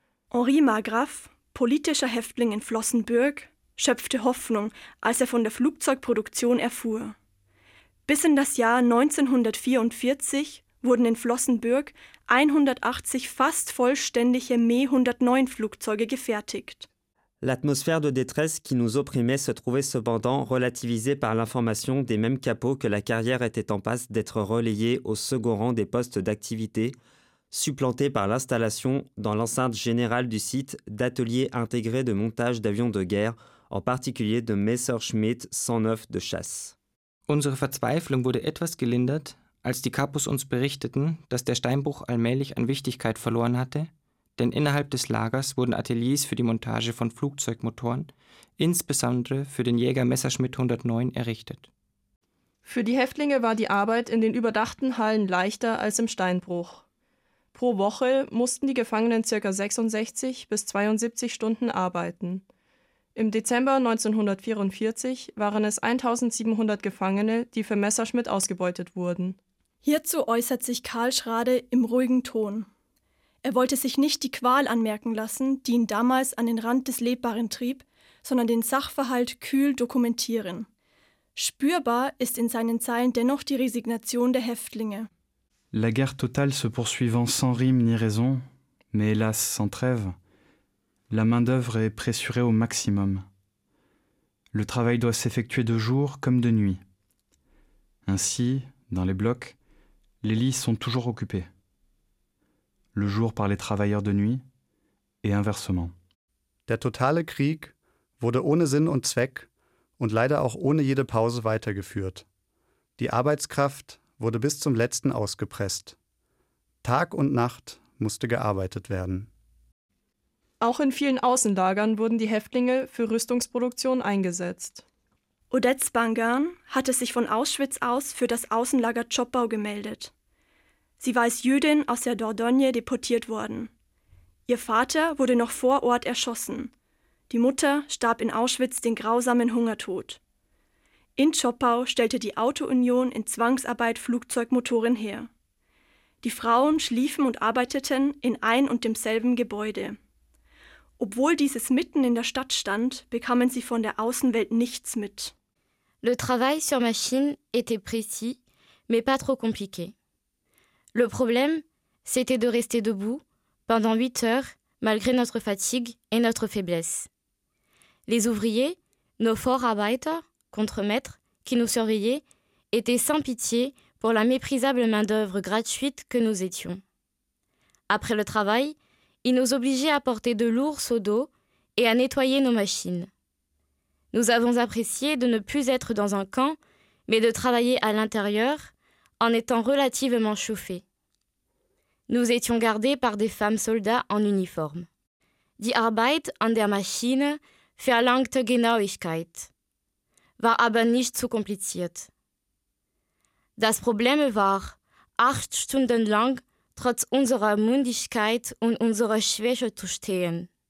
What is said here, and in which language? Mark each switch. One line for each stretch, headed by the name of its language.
German: Henri Margraff, politischer Häftling in Flossenbürg, schöpfte Hoffnung, als er von der Flugzeugproduktion erfuhr. Bis in das Jahr 1944 wurden in Flossenbürg 180 fast vollständige Me-109-Flugzeuge gefertigt.
French: L'atmosphère de détresse qui nous opprimait se trouvait cependant relativisée par l'information des mêmes capots que la carrière était en passe d'être relayée au second rang des postes d'activité, supplantée par l'installation, dans l'enceinte générale du site, d'ateliers intégrés de montage d'avions de guerre, en particulier de Messerschmitt 109 de chasse.
German: Unsere Verzweiflung wurde etwas gelindert, als die Kapos uns berichteten, dass der Steinbruch allmählich an Wichtigkeit verloren hatte, denn innerhalb des Lagers wurden Ateliers für die Montage von Flugzeugmotoren, insbesondere für den Jäger Messerschmitt 109, errichtet. Für die Häftlinge war die Arbeit in den überdachten Hallen leichter als im Steinbruch. Pro Woche mussten die Gefangenen ca. 66 bis 72 Stunden arbeiten. Im Dezember 1944 waren es 1700 Gefangene, die für Messerschmitt ausgebeutet wurden. Hierzu äußert sich Karl Schrade im ruhigen Ton. Er wollte sich nicht die Qual anmerken lassen, die ihn damals an den Rand des Lebbaren trieb, sondern den Sachverhalt kühl dokumentieren. Spürbar ist in seinen Zeilen dennoch die Resignation der Häftlinge.
French: La guerre totale se poursuivant sans rime ni raison, mais hélas sans trêve, la main-d'œuvre est pressurée au maximum. Le travail doit s'effectuer de jour comme de nuit. Ainsi, dans les blocs, les lits sont toujours occupés. Le jour par les travailleurs de nuit et inversement.
German: Der totale Krieg wurde ohne Sinn und Zweck und leider auch ohne jede Pause weitergeführt. Die Arbeitskraft wurde bis zum Letzten ausgepresst. Tag und Nacht musste gearbeitet werden. Auch in vielen Außenlagern wurden die Häftlinge für Rüstungsproduktion eingesetzt. Odette Spangarn hatte sich von Auschwitz aus für das Außenlager Zschopau gemeldet. Sie war als Jüdin aus der Dordogne deportiert worden. Ihr Vater wurde noch vor Ort erschossen. Die Mutter starb in Auschwitz den grausamen Hungertod. In Zschopau stellte die Autounion in Zwangsarbeit Flugzeugmotoren her. Die Frauen schliefen und arbeiteten in ein und demselben Gebäude. Obwohl dieses mitten in der Stadt stand, bekamen sie von der Außenwelt nichts mit.
French: Le travail sur machine était précis, mais pas trop compliqué. Le problème, c'était de rester debout pendant 8 heures, malgré notre fatigue et notre faiblesse. Les ouvriers, nos Vorarbeiter, contremaîtres, qui nous surveillaient, étaient sans pitié pour la méprisable main-d'œuvre gratuite que nous étions. Après le travail, ils nous obligeaient à porter de lourds seaux d'eau et à nettoyer nos machines. Nous avons apprécié de ne plus être dans un camp, mais de travailler à l'intérieur, en étant relativement chauffé. Nous étions gardés par des femmes soldats en uniforme.
German: Die Arbeit an der Maschine verlangte Genauigkeit, war aber nicht zu kompliziert. Das Problem war, 8 Stunden lang trotz unserer Mündigkeit und unserer Schwäche zu stehen.